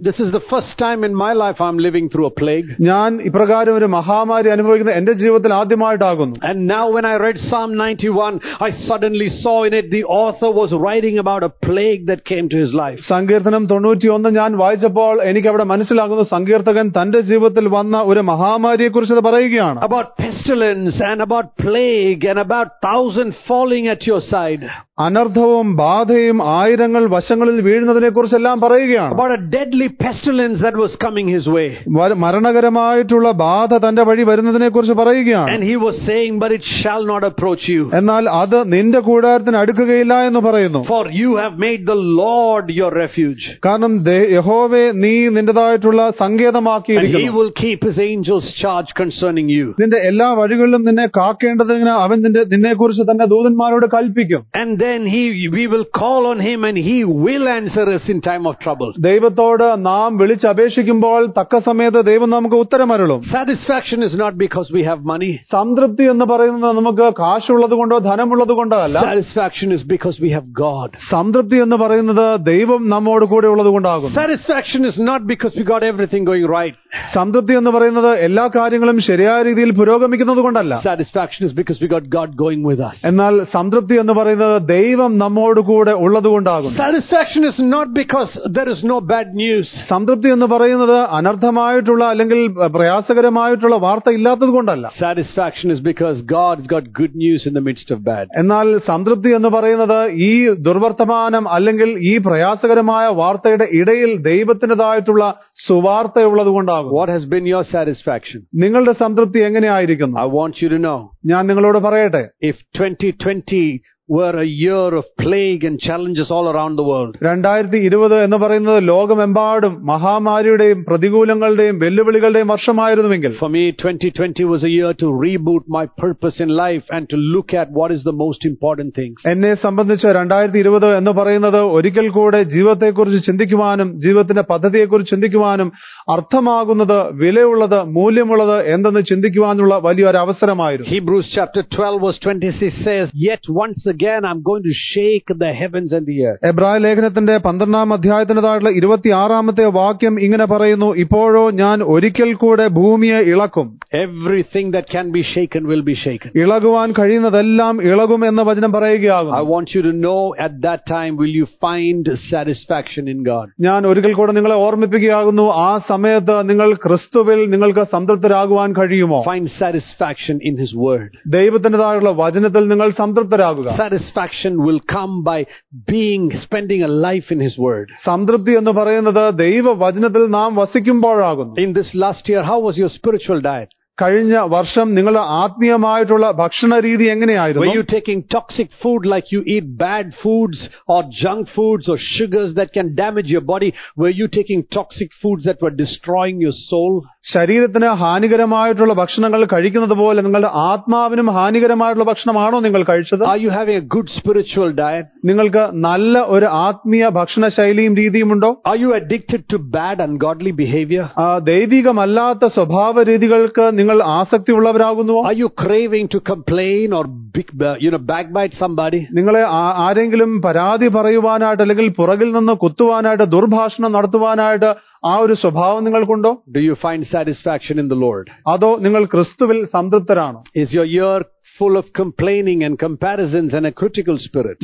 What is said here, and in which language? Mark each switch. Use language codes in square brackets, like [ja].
[en] This is the first time in my life I'm living through a plague. [ml] ഞാൻ ഇപ്രകാരം ഒരു മഹാമാരി അനുഭവിക്കുന്ന എന്റെ ജീവിതത്തിൽ ആദ്യമായിട്ടാകുന്നു. [en] And now when I read Psalm 91, I suddenly saw in it the author was writing about a plague that came to his life. [ml] സങ്കീർത്തനം 91 ഞാൻ വായിച്ചപ്പോൾ എനിക്ക് അവിടെ മനസ്സിലാകുന്നു, സങ്കീർത്തകൻ തന്റെ ജീവിതത്തിൽ വന്ന ഒരു മഹാമാരിയെ കുറിച്ച് പറയുകയാണ്. [en] About pestilence and about plague and about 1,000 falling at your side. [ml] അനർത്ഥവും ബാധയും ആയിരങ്ങൾ വശങ്ങളിൽ വീഴുന്ന എന്നതിനെ കുറിച്ചെല്ലാം പറയുകയാണ്. [en] About a deadly pestilence that was coming his way. [ml] മരണകരമായിട്ടുള്ള ബാധ തന്റെ വഴി വരുന്നതിനെ കുറിച്ച് പറയുകയാണ്. [en] And he was saying, but it shall not approach you. [ml] എന്നാൽ അത് നിന്റെ കൂടാരത്തിന് അടുക്കുകയില്ല എന്ന് പറയുന്നു. [en] For you have made the Lord your refuge. [ml] കാരണം യഹോവ നീ നിന്റേതായിട്ടുള്ള സങ്കേതമാക്കിയിരിക്കുന്നു. [en] And he will keep his angels charge concerning you. [ml] നിന്റെ എല്ലാ വഴികളിലും നിന്നെ കാക്കേണ്ടതിന് അവൻ നിന്നെ കുറിച്ച് തന്നെ ദൂതന്മാരോട് കൽപ്പിക്കും. [en] And then we will call on him and he will answer us in time of trouble. [ml] ദൈവത്തോട് നാം വിളിച്ച് അപേക്ഷിക്കുമ്പോൾ തക്ക സമയത്ത് ദൈവം നമുക്ക് ഉത്തരമരുളും. [en] Satisfaction is not because we have money. [ml] സംതൃപ്തി എന്ന് പറയുന്നത് നമുക്ക് കാശുള്ളതുകൊണ്ടോ ധനമുള്ളതുകൊണ്ടോ അല്ല. [en] Satisfaction is because we have God. [ml] സംതൃപ്തി എന്ന് പറയുന്നത് ദൈവം നമ്മോട് കൂടെ ഉള്ളതുകൊണ്ടാകുന്നു. [en] Satisfaction is not because we got everything going right. [ml] സംതൃപ്തി എന്ന് പറയുന്നത് എല്ലാ കാര്യങ്ങളും ശരിയായ രീതിയിൽ പുരോഗമിക്കുന്നതുകൊണ്ടല്ല. [en] Satisfaction is because we got God going with us. [ml] എന്നാൽ സംതൃപ്തി എന്ന് പറയുന്നത് ദൈവം നമ്മോട് കൂടെ ഉള്ളതുകൊണ്ടാകുന്നു. [en] Satisfaction is not because there is no bad news. [ml] സംതൃപ്തി എന്ന് പറയുന്നത് അനർത്ഥമായിട്ടുള്ള അല്ലെങ്കിൽ പ്രയാസകരമായിട്ടുള്ള വാർത്ത ഇല്ലാത്തതുകൊണ്ടല്ല. [en] Satisfaction is because God's got good news in the midst of bad. [ml] എന്നാൽ സംതൃപ്തി എന്ന് പറയുന്നത് ഈ ദുർവർത്തമാനം അല്ലെങ്കിൽ ഈ പ്രയാസകരമായ വാർത്തയുടെ ഇടയിൽ ദൈവത്തിന്റേതായിട്ടുള്ള സുവാർത്ത ഉള്ളതുകൊണ്ടാകും. [en] What has been your satisfaction? [ml] നിങ്ങളുടെ സംതൃപ്തി എങ്ങനെയായിരിക്കുന്നു? [en] I want you to know. [ml] ഞാൻ നിങ്ങളോട് പറയട്ടെ. [en] If 2020 were a year of plague and challenges all around the world. [ml] 2020 എന്ന് പറയുന്നത് ലോകമെമ്പാടും മഹാമാരിയുടെയും പ്രതികൂലങ്ങളുടെയും വെല്ലുവിളികളുടെയും വർഷമായിരുന്നുവെങ്കിൽ. [en] For me, 2020 was a year to reboot my purpose in life and to look at what is the most important things. [ml] എന്നെ സംബന്ധിച്ച് 2020 എന്ന് പറയുന്നത് ഒരിക്കൽ കൂടെ ജീവിതത്തെക്കുറിച്ച് ചിന്തിക്കുവാനും ജീവിതത്തിന്റെ പദ്ധതിയെക്കുറിച്ച് ചിന്തിക്കുവാനും അർത്ഥമാകുന്നത് വിലയുള്ളത് മൂല്യമുള്ളത് എന്തെന്ന് ചിന്തിക്കുവാനുള്ള വലിയൊരു അവസരമായിരുന്നു. [en] Hebrews chapter 12 verse 26 says, yet once again I'm going to shake the heavens and the earth. [ml] എബ്രായ ലേഖനത്തിന്റെ 12-ാം അധ്യായത്തിന്റേതായിട്ടുള്ള 26-ാമത്തെ വാക്യം ഇങ്ങനെ പറയുന്നു, ഇപ്പോഴോ ഞാൻ ഒരിക്കൽ കൂടെ ഭൂമിയെ ഇളക്കും. [en] Everything that can be shaken will be shaken. [ml] ഇളകുവാൻ കഴിയുന്നതെല്ലാം ഇളകും എന്ന വചനം പറയുകയാകും. [en] I want you to know, at that time will you find satisfaction in God? [ml] ഞാൻ ഒരിക്കൽ കൂടെ നിങ്ങളെ ഓർമ്മിപ്പിക്കുകയാകുന്നു, ആ സമയത്ത് നിങ്ങൾ ക്രിസ്തുവിൽ നിങ്ങൾക്ക് സംതൃപ്തരാകുവാൻ കഴിയുമോ? [en] Find satisfaction in his word. [ml] ദൈവത്തിന്റേതായിട്ടുള്ള വചനത്തിൽ നിങ്ങൾ സംതൃപ്തരാകുക. [en] Satisfaction will come by being spending a life in his word. [ml] സംതൃപ്തി എന്ന് പറയുന്നത് ദൈവവചനത്തിൽ നാം വസിക്കുമ്പോഴാകുന്നു. [en] In this last year, how was your spiritual diet? [ml] കഴിഞ്ഞ വർഷം നിങ്ങളുടെ ആത്മീയമായിട്ടുള്ള ഭക്ഷണ രീതി എങ്ങനെയായിരുന്നു? [en] Were you taking toxic food like you eat bad foods or junk foods or sugars that can damage your body? Were you taking toxic foods that were destroying your soul? [ml] ശരീരത്തിന് ഹാനികരമായിട്ടുള്ള ഭക്ഷണങ്ങൾ കഴിക്കുന്നത് പോലെ നിങ്ങളുടെ ആത്മാവിനും ഹാനികരമായിട്ടുള്ള ഭക്ഷണമാണോ നിങ്ങൾ കഴിച്ചത്? [en] Are you having a good spiritual diet? [ml] നിങ്ങൾക്ക് നല്ല ഒരു ആത്മീയ ഭക്ഷണ ശൈലിയും രീതിയും ഉണ്ടോ? [en] Are you addicted to bad ungodly behavior? [ml] ദൈവികമല്ലാത്ത സ്വഭാവ രീതികൾക്ക് നിങ്ങൾ ആസക്തി ഉള്ളവരാകുന്നുവോ? [en] Are you craving to complain or backbite somebody? [ml] നിങ്ങളെ ആരെങ്കിലും പരാതി പറയുവാനായിട്ട് അല്ലെങ്കിൽ പുറകിൽ നിന്ന് കുത്തുവാനായിട്ട് ദുർഭാഷണം നടത്തുവാനായിട്ട് ആ ഒരു സ്വഭാവം നിങ്ങൾക്കുണ്ടോ? [en] Do you find satisfaction in the Lord? [ml] അതോ നിങ്ങൾ ക്രിസ്തുവിൽ സംതൃപ്തരാണോ? [en] Is your year full of complaining and comparisons and a critical spirit?